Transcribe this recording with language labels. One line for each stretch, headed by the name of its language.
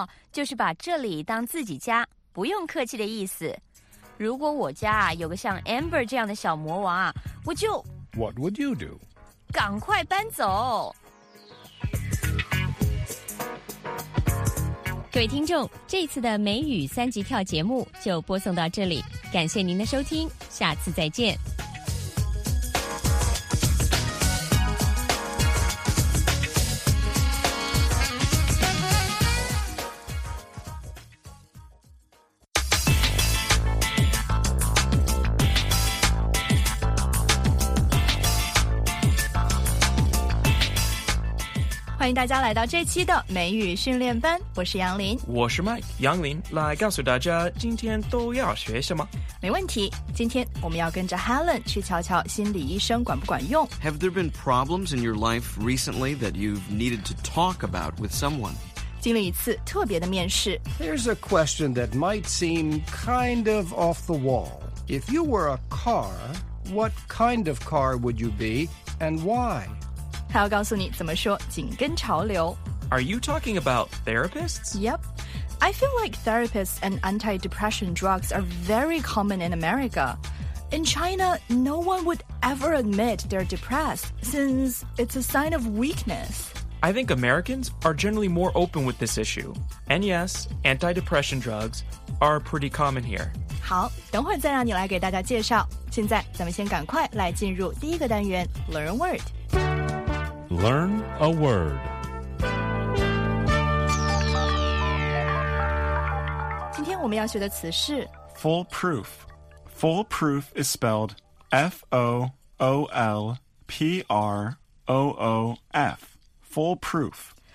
Chinese: 就是把这里当自己家，不用客气的意思。如果我家有个像 Amber 这样的小魔王啊，我就
English: What would you do?
Chinese: 赶快搬走。各位听众，这次的梅雨三级跳节目就播送到这里，感谢您的收听，下次再见。欢迎大家来到这期的美语训练班，我是杨林，我是 Mike 杨林，来告诉大家今天都要学什么。没问题，今天我们要跟着 Helen 去瞧瞧心理医生管不管用。
English: Have there been problems in your life recently that you've needed to talk about with someone?
Chinese: 经历一次特别的面试。
English: There's a question that might seem kind of off the wall. If you were a car, what kind of car would you be and why?
Chinese: 他要告诉你怎么说紧跟潮流。
English: Are you talking about therapists? Yep. I feel like therapists and anti-depression drugs are very common in America. In China, no one would ever admit they're depressed since it's a sign of weakness. I think Americans are generally more open with this issue. And yes, anti-depression drugs are pretty common here.
Chinese: 好，等会再让你来给大家介绍。现在咱们先赶快来进入第一个单元 ,
English: Learn a Word. Learn a Word.
Chinese: 今天我们要学的词是
English: Foolproof. Foolproof is spelled F-O-O-L-P-R-O-O-F. Foolproof.